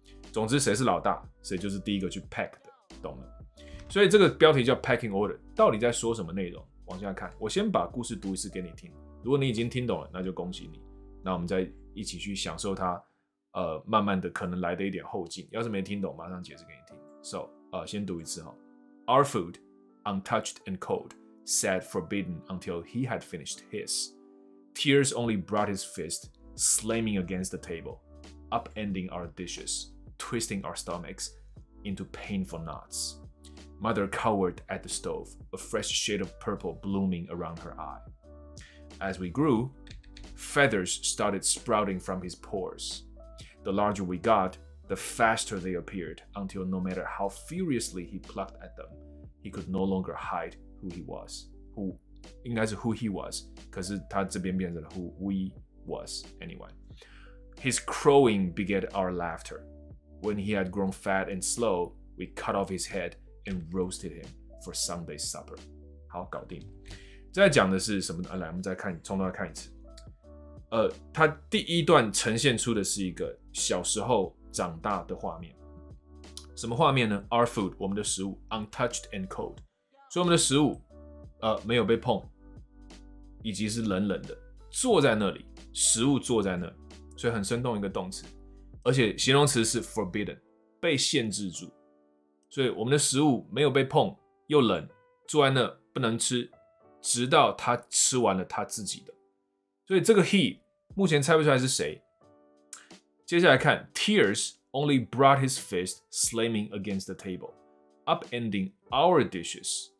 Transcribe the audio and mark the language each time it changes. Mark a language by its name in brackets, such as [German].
[Chinese] 总之，谁是老大，谁就是第一个去 pack 的，懂了？所以这个标题叫 pecking order， 到底在说什么内容？往下看，我先把故事读一次给你听。如果你已经听懂了，那就恭喜你。那我们再一起去享受它，慢慢的可能来的一点后劲。要是没听懂，马上解释给你听。 So， 先读一次哈。 [English] Our food, untouched and cold, sat forbidden until he had finished his. Tears only brought his fist, slamming against the table, upending our dishes, twisting our stomachs into painful knots. Mother cowered at the stove, a fresh shade of purple blooming around her eye. As we grew. Feathers started sprouting from his pores. The larger we got, the faster they appeared, until no matter how furiously he plucked at them, he could no longer hide who he was. Who, [Chinese] 应该是 [English] who he was, [Chinese] 可是他这边变成了 [English] who we was, anyway. His crowing began our laughter. When he had grown fat and slow, we cut off his head and roasted him for Sunday supper. [Chinese] 好，搞定。再讲的是什么？来，我们再看，从头来看一次。他第一段呈现出的是一个小时候长大的画面。什么画面呢 ？ [English] Our food， [Chinese] 我们的食物 ， [English] untouched and cold， [Chinese] 所以我们的食物，没有被碰，以及是冷冷的，坐在那里，食物坐在那里，所以很生动一个动词，而且形容词是 forbidden， 被限制住，所以我们的食物没有被碰，又冷，坐在那不能吃，直到他吃完了他自己的。所以这个 he 目前猜不出来是谁。接下来看 [English] ，tears only brought his fist slamming against the table, upending our dishes。